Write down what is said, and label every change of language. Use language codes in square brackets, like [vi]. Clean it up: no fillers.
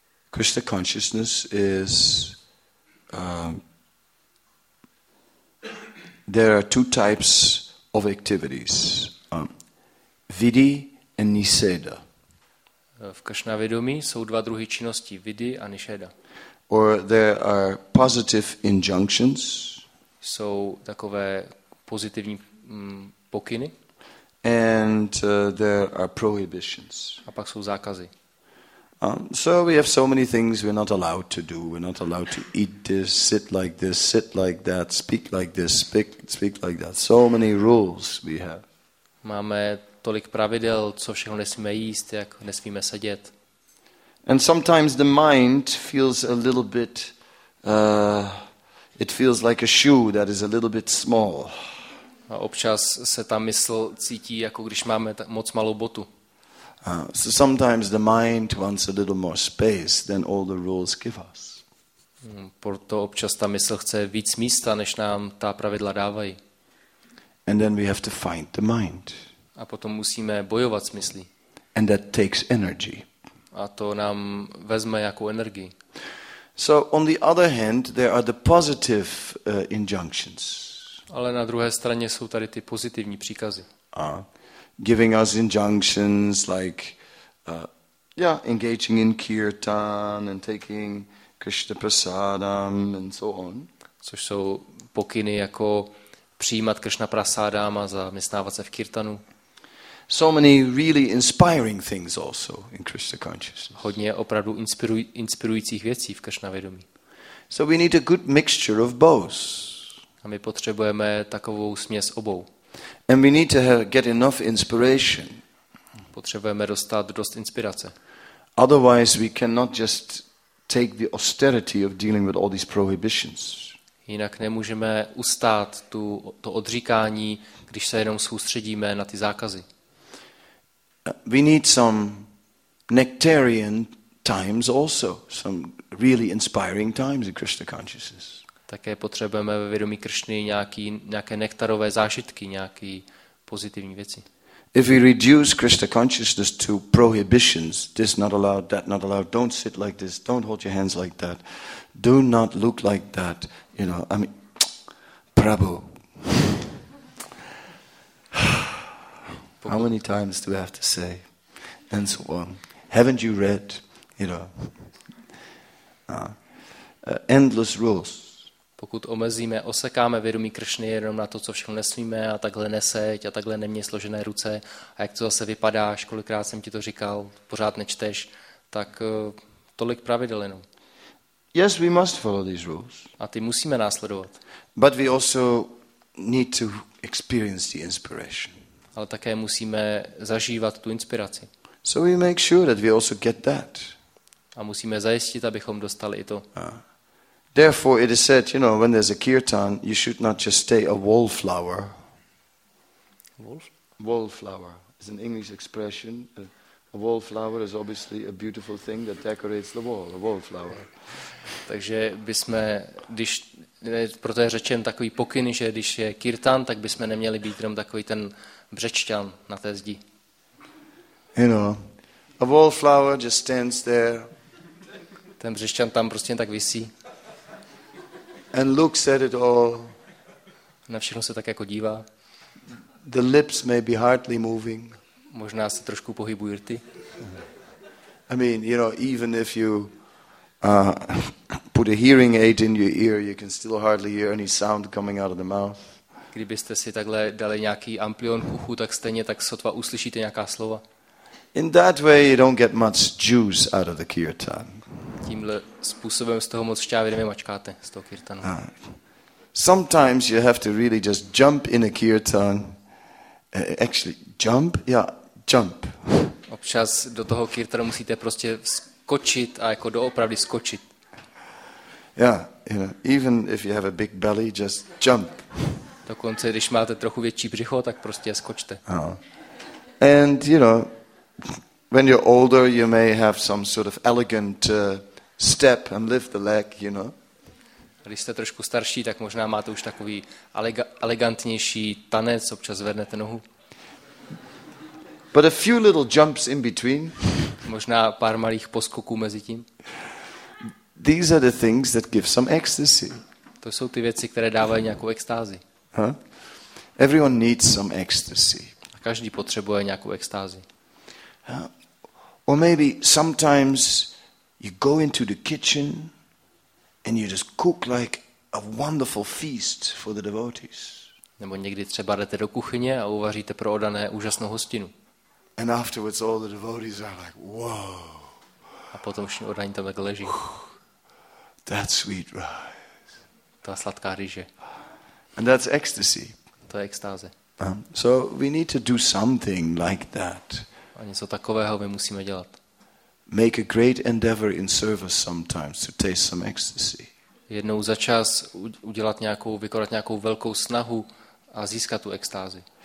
[en] Krishna consciousness is there are two types of activities, vidi and niseda. [cs] V Krishna vědomí jsou dva druhy činnosti, vidi a niseda. [en] Or there are positive injunctions. [cs] Jsou takové pozitivní pokyny. [en] And there are prohibitions. [cs] A pak jsou zákazy. [en] So we have so many things we're not allowed to do. We're not allowed to eat this, sit like that, speak like this, speak like that. So many rules we have. [cs] Máme tolik pravidel, co všechno nesmíme jíst, jak nesmíme sedět. [en] And sometimes the mind feels a little bit it feels like a shoe that is a little bit small. [cs] A občas se ta mysl cítí jako když máme moc malou botu. [en] So sometimes the mind wants a little more space than all the rules give us. [cs] Proto občas ta mysl chce víc místa, než nám ta pravidla dávají. [en] And then we have to fight the mind. [cs] A potom musíme bojovat s myslí. [en] And that takes energy. [cs] A to nám vezme jakou energii. [en] So on the other hand, there are the positive injunctions. [cs] Ale na druhé straně jsou tady ty pozitivní příkazy. [en] Giving us injunctions like engaging in kirtan and taking Krishna prasadam and so on. [cs] Což jsou pokyny jako přijímat Krishna prasadam a zaměstnávat se v kirtanu. [en] So many really inspiring things also in Krishna consciousness. [cs] Hodně opravdu inspirujících věcí v Krishna vědomí. [en] So we need a good mixture of both. [cs] A my potřebujeme takovou směs obou. [en] And we need to get enough inspiration. [cs] Potřebujeme dostat dost inspirace. [en] Otherwise we cannot just take the austerity of dealing with all these prohibitions. [cs] Jinak nemůžeme ustát to odříkání, když se jenom soustředíme na ty zákazy. [en] We need some nectarian times also, some really inspiring times in Krishna consciousness. [cs] Také potřebujeme ve vědomí Kršny nějaké nektarové zážitky, nějaké pozitivní věci. [en] If we reduce Krishna consciousness to prohibitions, this not allowed, that not allowed, don't sit like this, don't hold your hands like that, do not look like that, you know, I mean, Prabhu. How many times do I have to say, and so on? Haven't you read, you know, endless rules? [cs] Pokud omezíme, osekáme vědomí Kršny jenom na to, co všechno nesmíme a takhle neseď a takhle neměj složené ruce a jak to zase vypadáš, kolikrát jsem ti to říkal, pořád nečteš, tak tolik pravidel jenom. [en] Yes, we must follow these rules. [cs] A ty musíme následovat. [en] But we also need to experience the inspiration. [cs] Ale také musíme zažívat tu inspiraci. [en] So we make sure that we also get that. [cs] A musíme zajistit, abychom dostali i to. [en] Therefore it is said, you know, when there's a kirtan, you should not just stay a wallflower. Wolf? Wallflower is an English expression. A wallflower is obviously a beautiful thing that decorates the wall, a wallflower. [cs] Takže bychom, když proto je řečen takový pokyn, že když je kirtan, tak bychom neměli být jenom takový ten břečťan na té zdi. [en] You know, a wallflower just stands there. [cs] Ten břečťan tam prostě tak visí. [en] And looks at it all. [cs] Na všechno se tak jako dívá. [en] The lips may be hardly moving. [cs] Možná se trošku pohybují rty. [en] I mean, you know, even if you put a hearing aid in your ear, you can still hardly hear any sound coming out of the mouth. [cs] Kdybyste si takhle dali nějaký amplion v uchu, tak stejně tak sotva uslyšíte nějaká slova. [en] In that way you don't get much juice out of the kirtan. [cs] Tímhle způsobem z toho moc šťávy nemačkáte, z toho kirtanu. [en] Sometimes you have to really just jump in a kirtan. Jump. [cs] Občas do toho kirtanu musíte prostě skočit a jako doopravdy skočit. [en] Yeah, you know, even if you have a big belly, just jump. [cs] Dokonce, když máte trochu větší břicho, tak prostě skočte. [en] And you know, when you're older, you may have some sort of elegant step and lift the leg, you know. [cs] Když jste trošku starší, tak možná máte už takový elegantnější tanec, občas zvednete nohu. [en] But a few little jumps in between. [cs] Možná pár malých poskoků mezi tím. [en] These are the things that give some ecstasy. [cs] To jsou ty věci, které dávají nějakou extázi. [en] Everyone needs some ecstasy. [cs] A každý potřebuje nějakou extázi. [en] Or maybe sometimes you go into the kitchen and you just cook like a wonderful feast for the devotees. [cs] Nebo někdy třeba jdete do kuchyně a uvaříte pro odané úžasnou hostinu. [en] And afterwards all the devotees are like, "Whoa." [cs] A potom už oddaní tam tak leží. [en] That sweet rice. [cs] Ta sladká rýže. [en] And that's ecstasy. [cs] To je extáze. [en] So we need to do something like that. [cs] A něco takového my musíme dělat. [en] Make a great endeavor in service sometimes to taste some ecstasy. [cs] Jednou za čas udělat nějakou, vykonat nějakou velkou snahu a získat tu extázi.